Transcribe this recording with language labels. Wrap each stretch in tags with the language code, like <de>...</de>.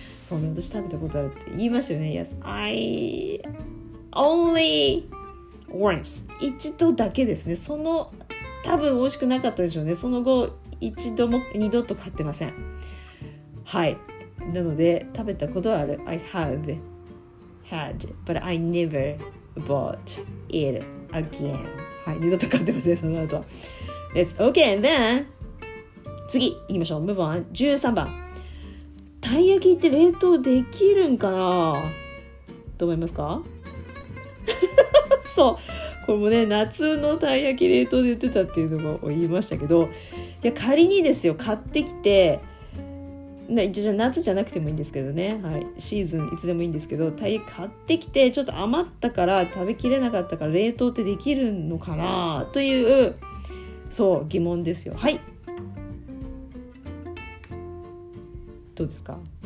<ja>そうね、私食べたことあるって言いましたよね。</ja> <en>Yes, I only once.</en> <ja>一度だけですね。その多分美味しくなかったでしょうね。その後一度も二度と買ってません。はい、なので食べたことある。</ja> <en>I have had but I never bought it again。</en> <ja>はい、二度と買ってません、その後。</ja> <en>It's okay then。</en> <ja>次行きましょう。</ja> <en>Move on。</en> <ja>13番、たい焼きって冷凍できるんかな、どう思いますか？そう、これもね、夏のたい焼き冷凍で売ってたっていうのも言いましたけど、いや仮にですよ、買ってきて、ね、じゃ夏じゃなくてもいいんですけどね、はい、シーズンいつでもいいんですけど、たい焼き買ってきてちょっと余ったから、食べきれなかったから、冷凍ってできるのかなという、そう、疑問ですよ。はい、どうですか？</ja>